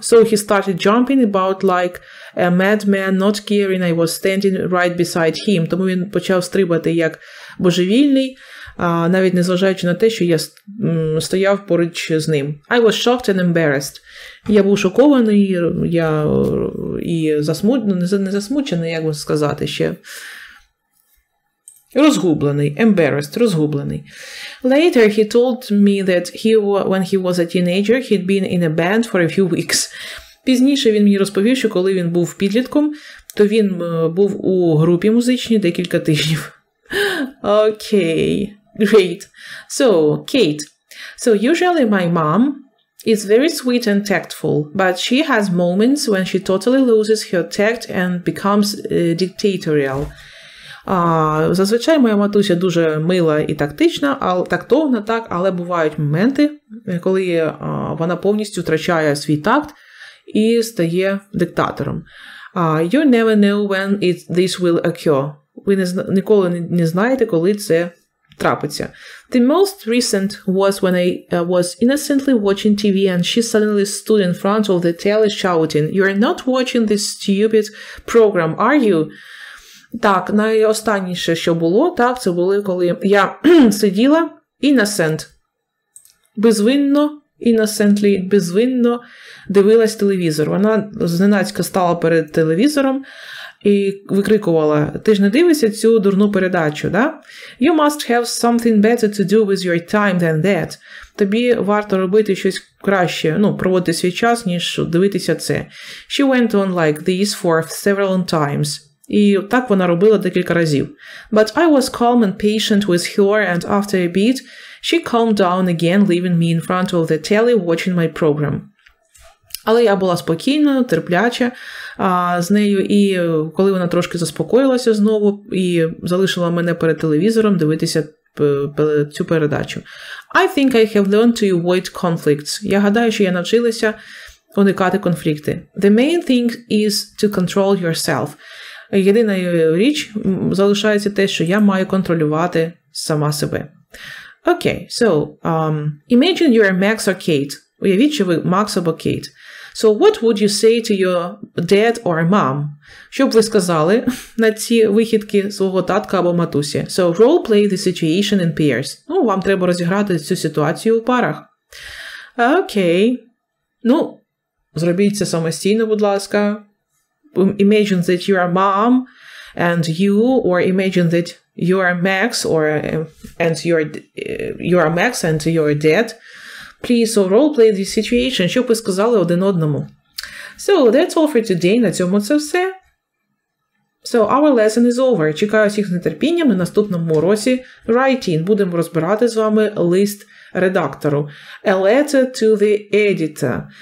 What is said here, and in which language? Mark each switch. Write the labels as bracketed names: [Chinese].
[English] So he started jumping about like a madman, not caring I was standing right beside him. [Ukrainian] Тому він почав стрибати як божевільний, навіть не зважаючи на те, що я стояв поруч з ним. [English] I was shocked and embarrassed. [Ukrainian] Я був шокований, я і засмучений, не засмучений, як би сказати, ще розгублений, [English] embarrassed, [Ukrainian] розгублений. [English] Later he told me that when he was a teenager, he'd been in a band for a few weeks. [Ukrainian] Пізніше він мені розповів, що коли він був підлітком, то він був у групі музичній декілька тижнів. [English] Okay, great. So, Kate. So, usually my mom is very sweet and tactful, but she has moments when she totally loses her tact and becomes dictatorial. [Ukrainian] Зазвичай моя матуся дуже мила і тактична, тактовна, так, але бувають моменти, коли вона повністю втрачає свій такт і стає диктатором. [English] You never know when this will occur. [Ukrainian] Ви ніколи не знаєте, коли це трапиться. [English] The most recent was when I was innocently watching TV and she suddenly stood in front of the telly shouting, you're not watching this stupid program, are you? [Ukrainian] Так, найостанніше, що було, так, це було, коли я сиділа, [English] innocent, [Ukrainian] безвинно, [English] innocently, [Ukrainian] безвинно дивилась телевізор. Вона зненацька стала перед телевізором і викрикувала, ти ж не дивишся цю дурну передачу, да? [English] You must have something better to do with your time than that. [Ukrainian] Тобі варто робити щось краще, ну, проводити свій час, ніж дивитися це. [English] She went on like this for several times. [Ukrainian] І так вона робила декілька разів. [English] But I was calm and patient with her, and after a bit, she calmed down again, leaving me in front of the telly watching my program. [Ukrainian] Але я була спокійна, терпляча з нею, і коли вона трошки заспокоїлася знову і залишила мене перед телевізором дивитися цю передачу. [English] I think I have learned to avoid conflicts. [Ukrainian] Я гадаю, що я навчилася уникати конфлікти. [English] The main thing is to control yourself. [Ukrainian] Єдина річ залишається те, що я маю контролювати сама себе. [English] Okay, so, imagine you're Max or Kate. [Ukrainian] Уявіть, що ви Макс або Кейт. [English] So, what would you say to your dad or mom? [Ukrainian] Що б ви сказали на ці вихідки свого татка або матусі? [English] So, role play the situation in pairs. [Ukrainian] Ну, вам треба розіграти цю ситуацію у парах. [English] Okay. [Ukrainian] Ну, зробіть це самостійно, будь ласка. [English] Imagine that you are mom and you, or imagine that you are Max or and you are Max and you are dad. Please, so role play the situation. [Ukrainian] Що б ви сказали один одному? [English] So, that's all for today. [Ukrainian] На цьому це все. [English] So, our lesson is over. [Ukrainian] Чекаю всіх з нетерпінням. На наступному уроці writing. Будемо розбирати з вами лист редактору. [English] A letter to the editor.